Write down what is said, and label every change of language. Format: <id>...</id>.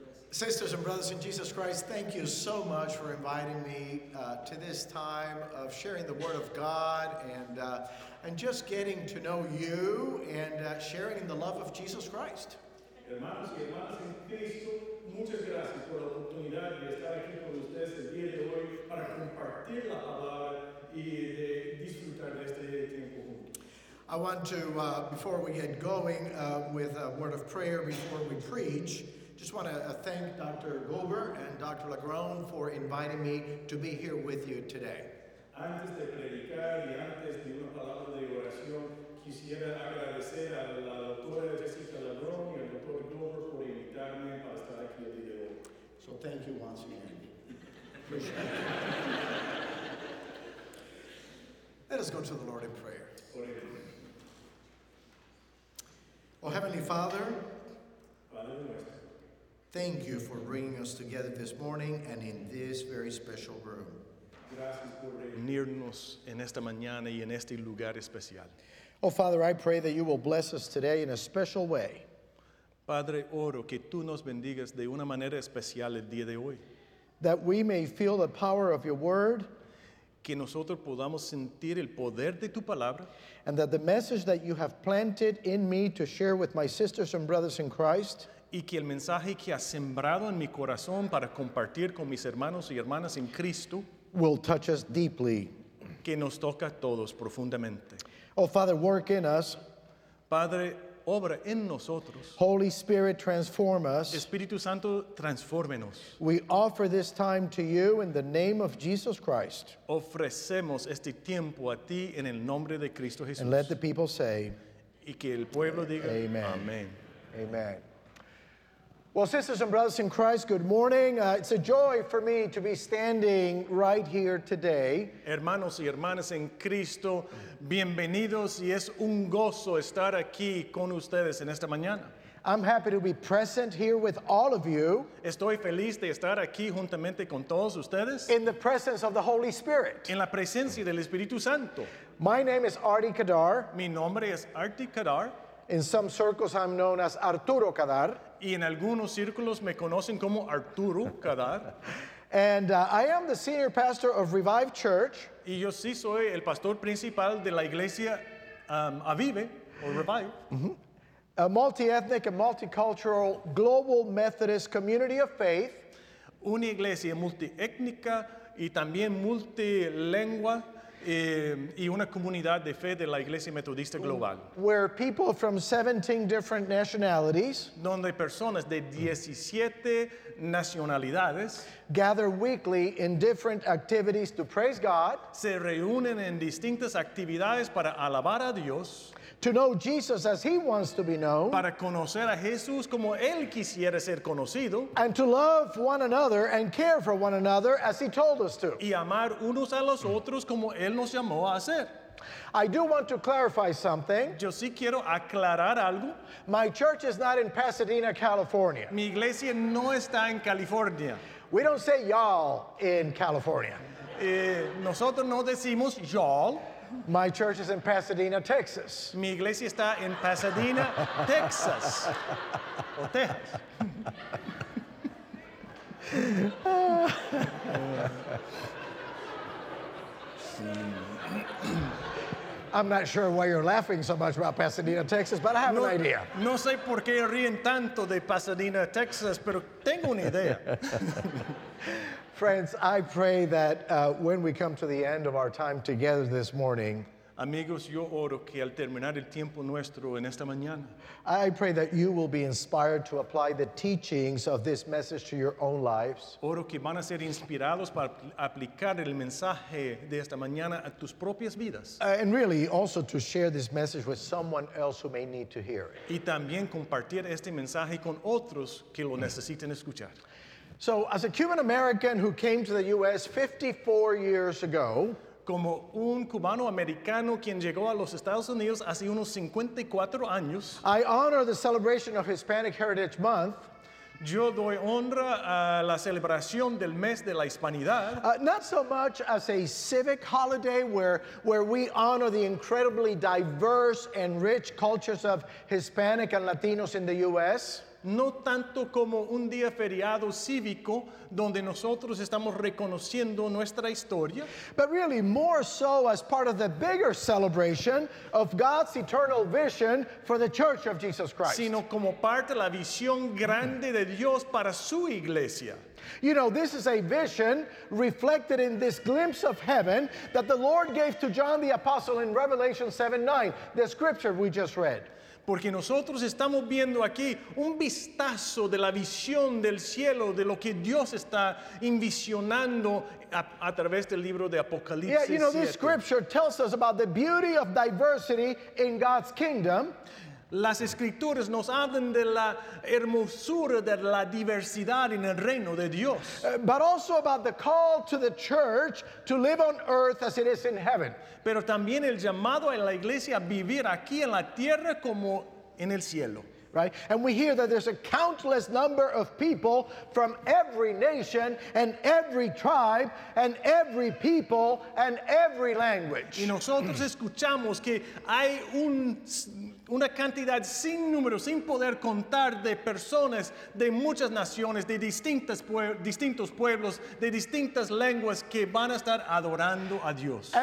<en>Sisters and brothers in Jesus Christ, thank you so much for inviting me to this time of sharing the Word of God and just getting to know you and sharing in the love of Jesus Christ.</en> <es>Hermanos y hermanas en Cristo, muchas gracias por la oportunidad de estar aquí con ustedes el día de hoy para compartir la palabra y de disfrutar de este tiempo juntos.</es> <en>I want to, before we get going with a word of prayer before we preach, just want to thank Dr. Gober and Dr. Lagrone for inviting me to be here with you today.</en> <es>Antes de predicar y antes de una palabra de oración, quisiera agradecer a la doctora Jessica Lagrone y al Dr. Gober por invitarme para estar aquí el día de hoy.</es> <en>So thank you once again. Appreciate it. Let us go to the Lord in prayer. Oh, Heavenly Father, thank you for bringing us together this morning and in this very special room.</en> <es>Unirnos en esta mañana y en este lugar especial.</es> <en>Oh, Father, I pray that you will bless us today in a special way.</en> <es>Padre, oro que tú nos bendigas de una manera especial el día de hoy.</es> <en>That we may feel the power of your word.</en> <es>Que nosotros podamos sentir el poder de tu palabra.</es> <en>And that the message that you have planted in me to share with my sisters and brothers in Christ.</en> <es>Y que el mensaje que has sembrado en mi corazón para compartir con mis hermanos y hermanas en Cristo</es> <en>will touch us deeply.</en> <es>Que nos toca a todos profundamente.</es> <en>Oh, Father, work in us.</en> <es>Padre, obra en nosotros.</es> <en>Holy Spirit, transform us.</en> <es>Espíritu Santo, transfórmenos.</es> <en>We offer this time to you in the name of Jesus Christ.</en> <es>Ofrecemos este tiempo a ti en el nombre de Cristo Jesús.</es> <en>And let the people say,</en> <es>y que el pueblo diga, amen. Amen. Amen.</es> <en>Well, sisters and brothers in Christ, good morning. It's a joy for me to be standing right here today.</en> <es>Hermanos y hermanas en Cristo, bienvenidos y es un gozo estar aquí con ustedes en esta mañana.</es> <en>I'm happy to be present here with all of you.</en> <es>Estoy feliz de estar aquí juntamente con todos ustedes.</es> <en>In the presence of the Holy Spirit.</en> <es>En la presencia del Espíritu Santo.</es> <en>My name is Arti Kadar.</en> <es>Mi nombre es Arti Kadar.</es> <en>In some circles, I'm known as Arturo Kadar.</en> <es>Y en algunos círculos me conocen como Arturo Kadar.</es> <en>And I am the senior pastor of Revive Church.</en> <es>Y yo sí soy el pastor principal de la iglesia Avive, or Revive.</es> <en>Mm-hmm. A multi-ethnic and multicultural global Methodist community of faith.</en> <es>Una iglesia multiétnica y también multilingüe. Y una comunidad de fe de la Iglesia Metodista Global.</es> <en>Where people from 17 different nationalities,</en> <es>donde personas de 17 nacionalidades,</es> <en>gather weekly in different activities to praise God,</en> <es>se reúnen en distintas actividades para alabar a Dios,</es> <en>to know Jesus as he wants to be known,</en> <es>para conocer a Jesús como él quisiera ser conocido,</es> <en>and to love one another and care for one another as he told us to.</en> <es>Y amar unos a los otros como él nos llamó a hacer.</es> <en>I do want to clarify something.</en> <es>Yo sí quiero aclarar algo.</es> <en>My church is not in Pasadena, California.</en> <es>Mi iglesia no está en California.</es> <en>We don't say y'all in California.</en> <es>Nosotros no decimos y'all.</es> <en>My church is in Pasadena, Texas.</en> <es>Mi iglesia está en Pasadena, Texas. O Texas.</es> <en>I'm not sure why you're laughing so much about Pasadena, Texas, but I have an idea.</en> <es>No sé por qué ríen tanto de Pasadena, Texas, pero tengo una idea.</es> <en>Friends, I pray that when we come to the end of our time together this morning,</en> <es>amigos, yo oro que al terminar el tiempo nuestro en esta mañana,</es> <en>I pray that you will be inspired to apply the teachings of this message to your own lives.</en> <es>Oro que van a ser inspirados para aplicar el mensaje de esta mañana a tus propias vidas.</es> <en>And really, also to share this message with someone else who may need to hear it.</en> <es>Y también compartir este mensaje con otros que lo necesiten escuchar.</es> <en>So as a Cuban American who came to the US 54 years ago,</en> <es>como un cubano americano quien llegó a los Estados Unidos hace unos 54 años,</es> <en>I honor the celebration of Hispanic Heritage Month.</en> <es>Yo doy honra a la celebración del mes de la Hispanidad.</es> <en>Not so much as a civic holiday where we honor the incredibly diverse and rich cultures of Hispanic and Latinos in the US.</en> <es>No tanto como un día feriado cívico donde nosotros estamos reconociendo nuestra historia.</es> <en>But really more so as part of the bigger celebration of God's eternal vision for the Church of Jesus Christ.</en> <es>Sino como parte de la visión grande de Dios para su iglesia.</es> <en>You know, this is a vision reflected in this glimpse of heaven that the Lord gave to John the Apostle in Revelation 7:9, the scripture we just read.</en> <es>Porque nosotros estamos viendo aquí un vistazo de la visión del cielo, de lo que Dios está envisionando a través del libro de Apocalipsis 7.</es> <en>Yeah, you know, this scripture tells us about the beauty of diversity in God's kingdom.</en> <es>Las escrituras nos hablan de la hermosura de la diversidad en el reino de Dios.</es> <en>But also about the call to the church to live on earth as it is in heaven.</en> <es>Pero también el llamado a la iglesia a vivir aquí en la tierra como en el cielo.</es> <en>Right? And we hear that there's a countless number of people from every nation and every tribe and every people and every language.</en> <es>Y nosotros escuchamos que hay un... una cantidad sin número, sin poder contar de personas de muchas naciones, de distintas distintos pueblos, de distintas lenguas que van a estar adorando a Dios.</es>